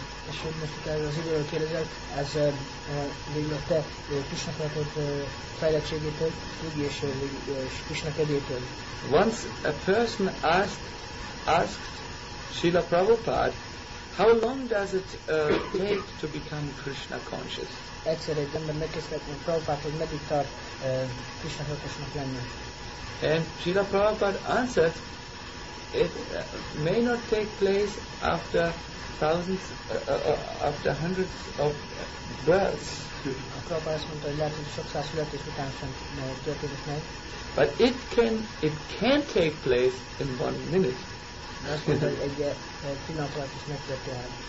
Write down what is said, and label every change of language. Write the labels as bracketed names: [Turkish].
[Hungarian] És hogy most itt erről az időről kérdezel, ez végül a te Krishna-tartott fejlettségétől függ, és Krishna kedvétől. [English] Once a person asked Srila Prabhupada, how long does it take to become Krishna conscious? [Hungarian] Egyszer egy ember megkérdezte Prabhupada, hogy meddig tart Krishna tudatosnak lenni. [English] And Srila Prabhupada answered, it may not take place after thousands, after hundreds of births. [Hungarian] Akkor azt mondta, hogy lehet, hogy sok száz születés után sem történik meg. [English] But it can take place in 1 minute. [Hungarian] Azt mondta, hogy egy pillanat alatt is megtörténhet.